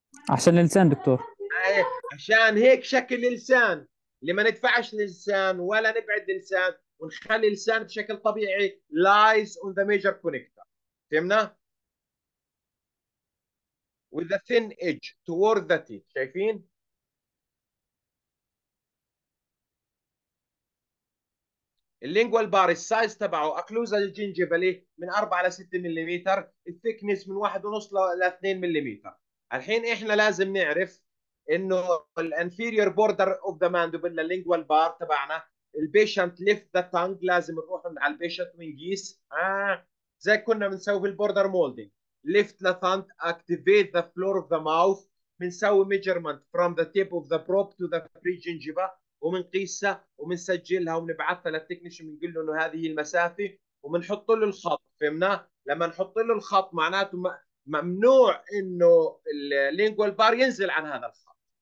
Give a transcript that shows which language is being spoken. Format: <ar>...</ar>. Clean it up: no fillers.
<ar>عشان اللسان دكتور. عشان هيك شكل اللسان، لما ندفعش اللسان ولا نبعد اللسان ونخلي اللسان بشكل طبيعي</ar> <en>lies on the major connector. فهمنا؟ with a thin edge toward the teeth.</en> <ar>شايفين؟ اللينجوال بار السايز تبعه اكلوزا الجنجيفالي من 4 ل 6 ملم، الثيكنس من 1.5 ل 2 ملم. الحين احنا لازم نعرف انه</ar> <en>الانفيريور border of the mandible</en> <ar>اللينجوال بار تبعنا،</ar> <en>البيشنت lift the tongue,</en> <ar>لازم نروح على البيشنت ونقيس زي كنا بنسوي البوردر مولدنج.</ar> <en>Lift the tongue, activate the floor of the mouth.</en> <ar>بنسوي</ar> <en>measurement from the tip of the probe to the pre-gingiva</en> <ar>وبنقيسها وبنسجلها وبنبعثها للتكنيشن، بنقول له انه هذه المسافه وبنحط له الخط. فهمنا؟ لما نحط له الخط معناته ممنوع انه اللينجوال بار ينزل عن هذا الخط.</ar>